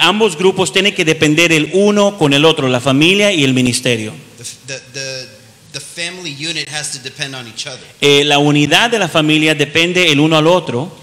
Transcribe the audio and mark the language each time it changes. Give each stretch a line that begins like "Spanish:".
Spanish: Ambos grupos tienen que depender el uno con el otro, la familia y el ministerio.
English: The family unit has to depend on each other.
Spanish: La unidad de la familia depende el uno al otro.